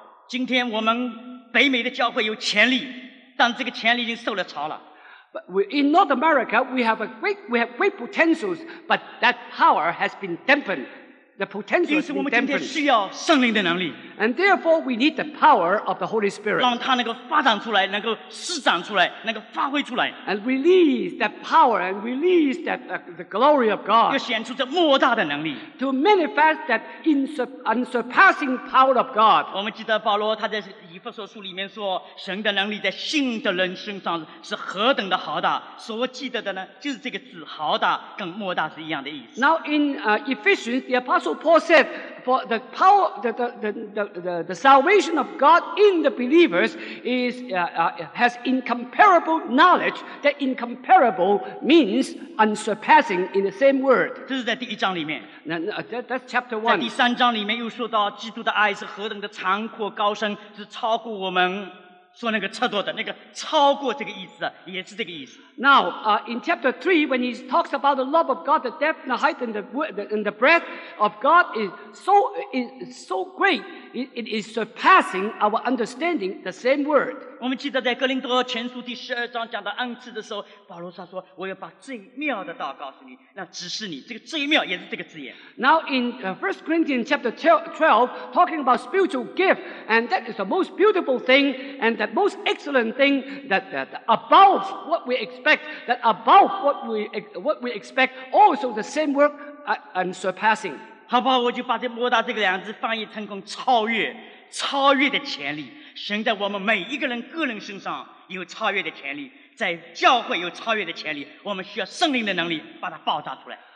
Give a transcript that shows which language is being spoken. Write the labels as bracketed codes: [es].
[zh] 今天我们北美的教会有潜力，但这个潜力已经受了潮了。 [en] But in North America, we have great potentials, but that power has been dampened. The potential is dampened. And therefore, we need the power of the Holy Spirit. [zh] 让它能够发展出来，能够施展出来，能够发挥出来。 [en] And release that power and release that the glory of God. [zh] 要显出这莫大的能力。 [en] To manifest that unsurpassing power of God. [zh] 我们记得保罗他在以弗所书里面说，神的能力在信的人身上是何等的浩大。所记得的呢，就是这个字浩大跟莫大是一样的意思。 [en] Now in Ephesians, the apostle So Paul said, for the power, the salvation of God in the believers is, has incomparable knowledge. That incomparable means unsurpassing in the same word. [zh] 这是在第一章里面。 [en] That's chapter one. [zh] 在第三章里面又说到基督的爱是何等的长阔高深，是超过我们。说那个测度的那个超过这个意思也是这个意思。 [en] Now, in chapter 3, when he talks about the love of God, the depth, the height, and the breadth of God is so great, it is surpassing our understanding, the same word. [zh] 我们记得在哥林多前书第十二章讲到恩赐的时候，保罗他说，我要把最妙的道告诉你，那指示你，这个最妙也是这个字眼。 [en] Now, in 1 Corinthians chapter 12, talking about spiritual gift, and that is the most beautiful thing, andThat most excellent thing that above what we expect, that above what we expect, also the same work and surpassing. [zh] 好不好？我就把这“莫大”这个两字翻译成功超越，超越的潜力。神在我们每一个人个人身上有超越的潜力，在教会有超越的潜力。我们需要圣灵的能力把它爆炸出来。